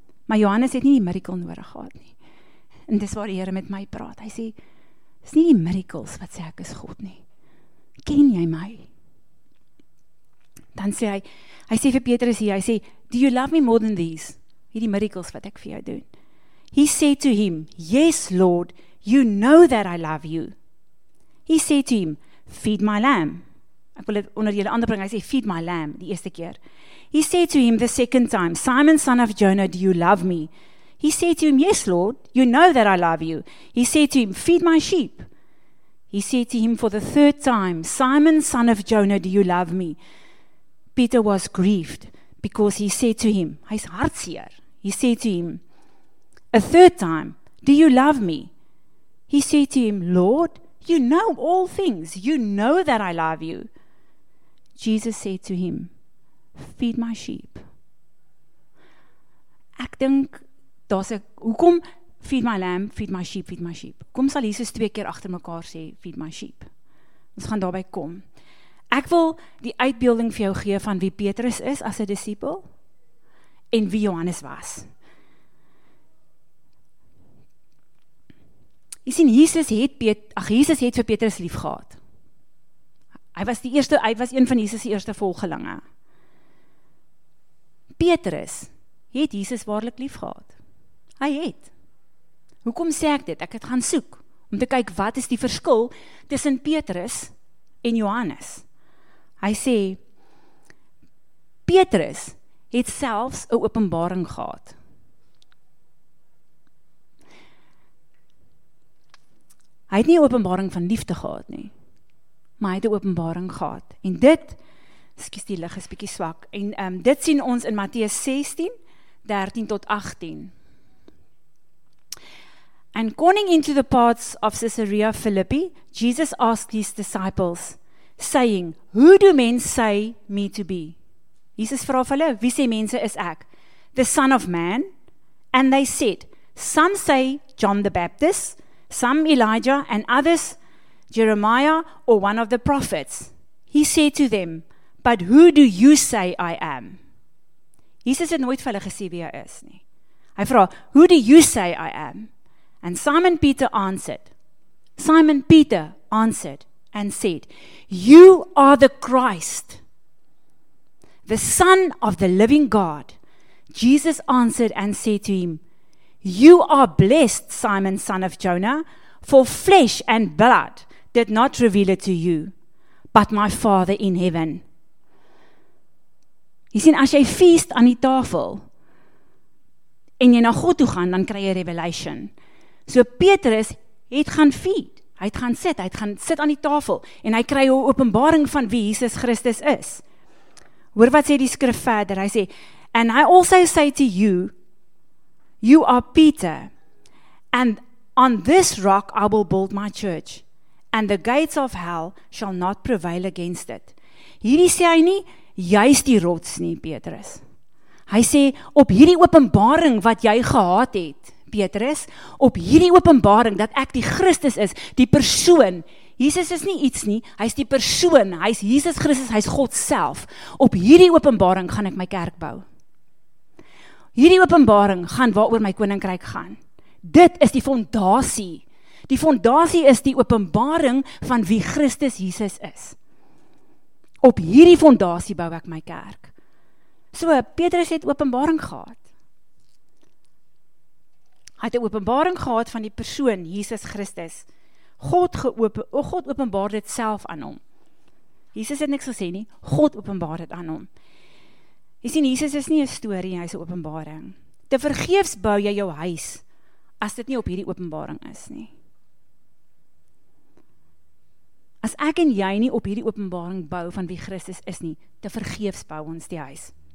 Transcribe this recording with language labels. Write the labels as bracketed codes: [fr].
[af] Maar Johannes het nie die miracle nodig gehad nie. En dis waar die Here met my praat. Hy sê, dis nie die miracles wat sê ek is God nie. Ken jy my? Dan sê hy, hy sê vir Petrus hier, hy sê, [en] do you love me more than these? [af] Hierdie miracles wat ek vir jou doen. [en] He said to him, yes Lord, you know that I love you. He said to him, feed my lamb. [af] Ek wil dit onder julle ander bring, hy sê, [en] feed my lamb, [af] die eerste keer. [en] He said to him the second time, Simon son of Jonah, do you love me? He said to him, yes Lord, you know that I love you. He said to him, feed my sheep. He said to him for the third time, Simon son of Jonah, do you love me? Peter was grieved because he said to him, [af] hy is hartseer. [en] He said to him a third time, do you love me? He said to him, Lord, you know all things. You know that I love you. Jesus said to him, feed my sheep. [af] Ek dink, daar's 'n hoekom, [en] feed my lamb, feed my sheep, [af] feed my sheep. Kom sal Jesus twee keer agter mekaar sê, [en] feed my sheep. [af] Ons gaan daarby kom. Ek wil die uitbeelding vir jou gee van wie Petrus is as 'n disipel en wie Johannes was. Jy sien, Jesus het vir Petrus lief gehad. Hy was een van Jesus' eerste volgelinge. Petrus het Jesus waarlik lief gehad. Hy het. Hoekom sê ek dit? Ek het gaan soek om te kyk wat is die verskil tussen Petrus en Johannes. Hy sê, Petrus het selfs 'n openbaring gehad. Hy het nie openbaring van liefde gehad nie, maar hy het 'n openbaring gehad. En dit, skus die lig is bietjie swak, en dit sien ons in Matteus 16, 13 tot 18. [en] And going into the parts of Caesarea Philippi, Jesus asked his disciples, saying, who do men say me to be? [af] Jesus vra hulle, wie sê mense is ek? [en] The son of man. And they said, some say John the Baptist, some Elijah, and others Jeremiah, or one of the prophets. He said to them, but who do you say I am? [af] Jesus het nooit vir hulle gesê wie hy is nie. Hy vra, [en] who do you say I am? And Simon Peter answered and said, you are the Christ, the Son of the living God. Jesus answered and said to him, you are blessed, Simon, son of Jonah, for flesh and blood did not reveal it to you, but my Father in heaven. [af] Jy sien, as jy feast aan die tafel en jy na God toe gaan, dan kry jy revelation. So Petrus het gaan feed, hy het gaan sit aan die tafel en hy kry 'n openbaring van wie Jesus Christus is. Hoor wat sê die skrif verder, hy sê, [en] and I also say to you, you are Peter, and on this rock I will build my church, and the gates of hell shall not prevail against it. [af] Hierdie sê hy nie, jy is die rots nie, Petrus. Hy sê, op hierdie openbaring wat jy gehad het, Petrus, op hierdie openbaring dat ek die Christus is, die persoon, Jesus is nie iets nie, hy is die persoon, hy is Jesus Christus, hy is God self. Op hierdie openbaring gaan ek my kerk bou. Hierdie openbaring gaan waaroor my koninkryk gaan. Dit is die fondasie. Die fondasie is die openbaring van wie Christus Jesus is. Op hierdie fondasie bou ek my kerk. So, Petrus het openbaring gehad. Hy het 'n openbaring gehad van die persoon, Jesus Christus. God openbaar dit self aan hom. Jesus het niks gesê nie, God openbaar dit aan hom. Jy sien, Jesus is nie 'n storie, hy is 'n openbaring. Te vergeefs bou jy jou huis, as dit nie op hierdie openbaring is nie. As ek en jy nie op hierdie openbaring bou van wie Christus is nie, te vergeefs bou ons die huis.